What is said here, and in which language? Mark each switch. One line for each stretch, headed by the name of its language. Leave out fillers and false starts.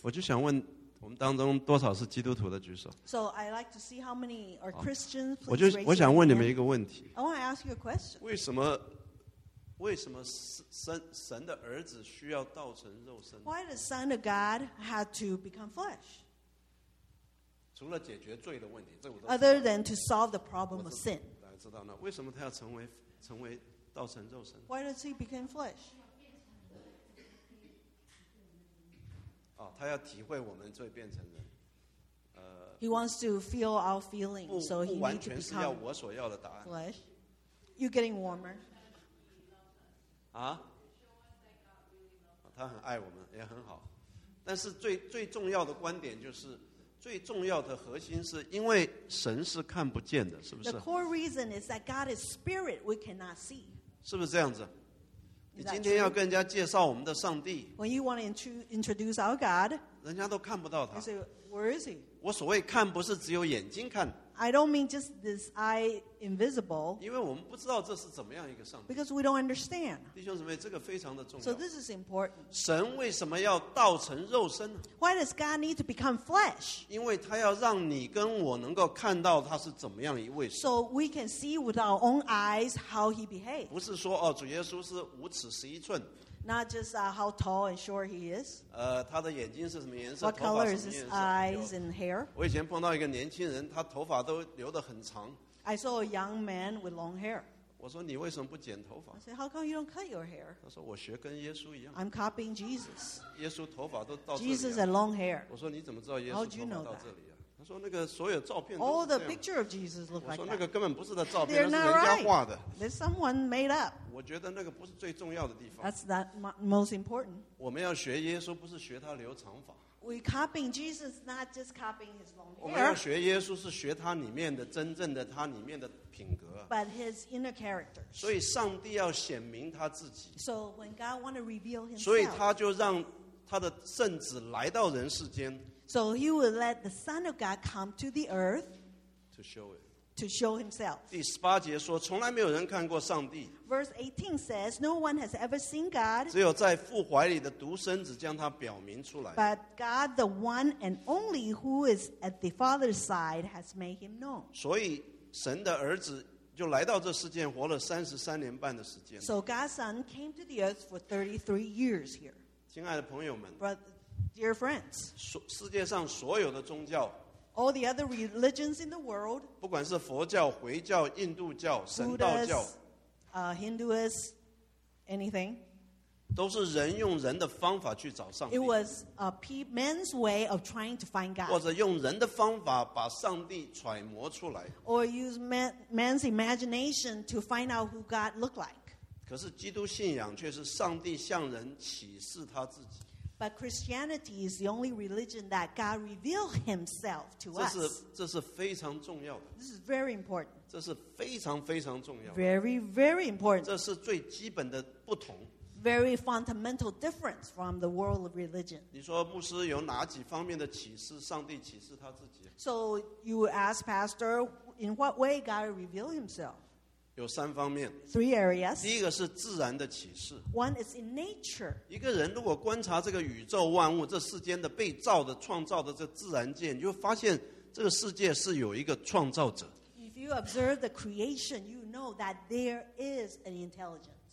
Chinese: 我就想问我们当中多少是基督徒的举手。
English: So I'd like to see how many are Christians.
Chinese: 我想问你们一个问题。
English: I want to ask you a question.
Chinese: 为什么神的儿子需要道成肉身？
English: Why the Son of God had to become flesh?
Chinese: 除了解决罪的问题，这我都。
English: Other than to solve the problem of sin，
Chinese: 大家知道那为什么他要成为道成肉身
English: ？Why does he become flesh？
Chinese: 哦，他要体会我们罪变成人。
English: He wants to feel our feelings, so he needs to become flesh.
Chinese: 不完全是要我所要的答案。
English: Flesh, you getting warmer？啊？
Chinese: 他很爱我们，也很好，但是最重要的观点就是。最重要的核心是因为神是看不见的，是不是
English: ？The core reason is that God is spirit, we cannot see.
Chinese: 是不是这样子？你今天要跟人家介绍我们的上帝
English: ，When you want to introduce our God,
Chinese: 人家都看不到他。
English: You say, where is he?
Chinese: 我所谓看，不是只有眼睛看。
English: I don't mean just this eye invisible.
Chinese: 因为我们不知道这是怎么样一个上帝。
English: Because we don't understand.
Chinese: 弟兄姊妹，这个非常的重要。
English: So this is important.
Chinese: 神为什么要道成肉身呢？
English: Why does God need to become flesh?
Chinese: 因为他要让你跟我能够看到他是怎么样一位神。
English: So we can see with our own eyes how he behaves.
Chinese: 不是说哦，主耶稣是五尺十一寸。
English: Not just how tall and short he is.
Chinese: 他的眼睛是什么颜色？
English: What color is his eyes and hair?
Chinese: 我以前碰到一个年轻人，他头发都留得很长。
English: I saw a young man with long hair.
Chinese: 我说你为什么不剪头发？
English: I said, how come you don't cut your hair?
Chinese: 他说我学跟耶稣一样。
English: I'm copying Jesus.
Chinese: 耶稣头发都到这里。
English: Jesus had long hair.
Chinese: 我说你怎么知道耶稣头发到这里啊？他说那个所有照片。
English: All the picture of Jesus look like that.
Chinese: 我说那个根本不是他照片，那是人家画的。
English: There's someone made up.
Chinese: 我觉得那个不是最重要的地方。
English: That's not most important.
Chinese: 我们要学耶稣，不是学他留长发。
English: We copying Jesus, not just copying his long hair.
Chinese: 我们要学耶稣，是学他里面的真正的他里面的品格。
English: But his inner character.
Chinese: 所以上帝要显明他自己。
English: So when God want to reveal himself.
Chinese: 所以他就让他的圣子来到人世间。
English: So he would let the Son of God come to the earth to show it. To show himself.
Chinese: 第十八节说，从来没有人看过上帝。
English: Verse 18 says, no one has ever seen God.
Chinese: 只有在父怀里的独生子将他表明出来。
English: But God, the one and only who is at the Father's side, has made him known.
Chinese: 所以神的儿子就来到这世间活了33.5年的时间。
English: So God's Son came to the earth for 33 years here.
Chinese: 亲爱的朋友们。
English: Dear friends,
Chinese: 世界上所有的宗教
English: all the other religions in the world,
Chinese: 不管是佛教、回教、印度教、神道教
English: Hinduism, anything,
Chinese: 都是人用人的方法去找上帝
English: It was a man's way of trying to find God,
Chinese: 或者用人的方法把上帝揣摩出来
English: or use man's imagination to find out who God looked like.
Chinese: 可是基督信仰却是上帝向人启示他自己
English: But Christianity is the only religion that God revealed himself to us.
Chinese: 这是非常重要的。
English: This is very important.
Chinese: 这是非常非常重要的。
English: Very, very important.
Chinese: 这是最基本的不同。
English: very fundamental difference from the world of religion.
Chinese: 你说牧师有哪几方面的启示？上帝启示他自己。
English: So you ask pastor, in what way God revealed himself?
Chinese: 有三方面。
English: Three areas.
Chinese: 第一个是自然的启示。
English: One is in nature.
Chinese: 一个人如果观察这个宇宙万物，这世间的被造的、创造的这自然界，你就发现这个世界是有一个创造者。
English: If you observe the creation, you know that there is an intelligence.